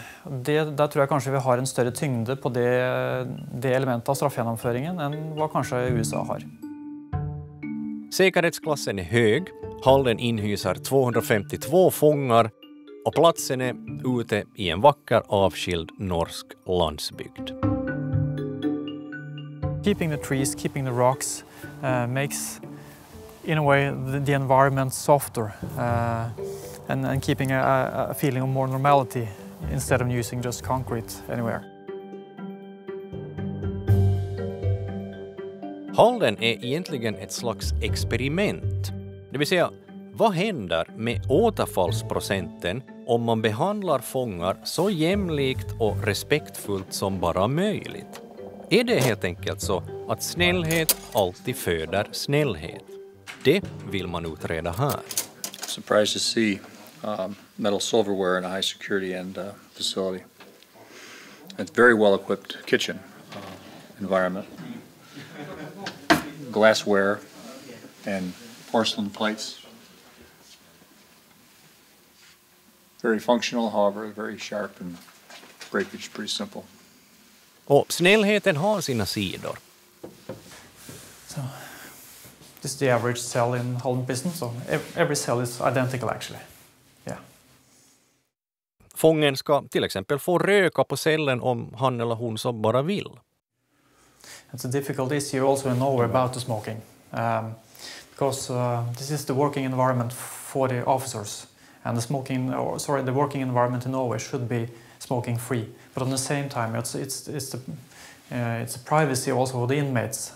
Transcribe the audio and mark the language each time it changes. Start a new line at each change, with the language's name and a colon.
Swedish: Där tror jag kanske vi har en större tyngde på det element av straffgenomföringen än vad kanske USA har. Säkerhetsklassen är hög. Halden inhysar 252 fångar. Och platsen är ute i en vacker avskild norsk landsbygd.
English: Keeping the trees, keeping the rocks makes in a way the environment softer and keeping a feeling of more normality instead of using just concrete anywhere.
Swedish: Halden är egentligen ett slags experiment. Det vill säga, vad händer med återfallsprocenten om man behandlar fångar så jämlikt och respektfullt som bara möjligt? Är det helt enkelt så att snällhet alltid föder snällhet? Det vill man utreda här.
English: Surprised to see metal silverware in a high security and facility. It's very well equipped kitchen environment. Glassware and porcelain plates. Very functional, however, very sharp and breakage is pretty simple.
Swedish: Och snällheten har sina sidor.
English: So, this is the average cell in Holden prison. So every cell is identical actually. Yeah.
Swedish: Fången ska till exempel få röka på cellen om han eller hon så bara vill.
English: It's a difficult issue also in Norway about the smoking. Because this is the working environment for the officers. And the working environment in Norway should be smoking free. But on the same time, it's a privacy also for the inmates.